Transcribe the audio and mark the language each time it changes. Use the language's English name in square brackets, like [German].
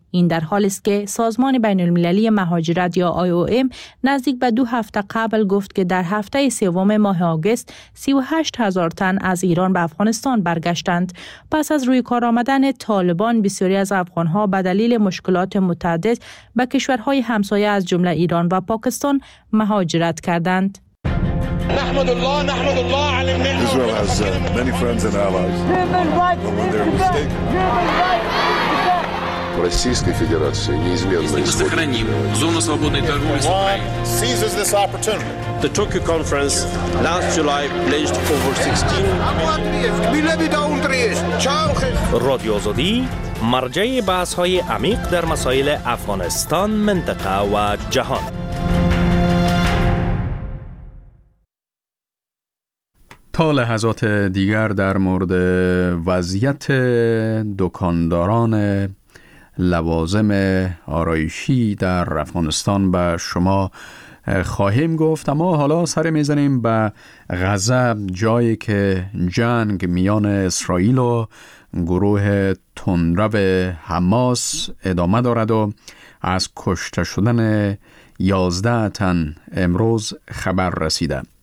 [Persian] این در حالی است که سازمان بین المللی مهاجرت یا IOM نزدیک به 2 هفته قبل گفت که در هفته سوم ماه آگست 38,000 تن از ایران به افغانستان برگشتند. پس از روی کار آمدن طالبان بسیاری از افغانها به دلیل مشکلات متعدد به کشورهای همسایه از جمله ایران و پاکستان مهاجرت کردند. [English] Israel has many friends and allies. Human rights, but when they're mistaken, [Russian] Российская Федерация неизменно использует зону свободной торговли. [English] Seizes this opportunity. The Tokyo Conference last July pledged over 16. [Persian] Radio Azadi, مرجع بحث‌های عمیق در مسائل افغانستان، منطقه و جهان. تا لحظات دیگر در مورد وضعیت دکانداران لوازم آرایشی در افغانستان به شما خواهیم گفت، اما حالا سر میزنیم به غزه، جایی که جنگ میان اسرائیل و گروه تندرو حماس ادامه دارد و از کشته شدن 11 تن امروز خبر رسیده.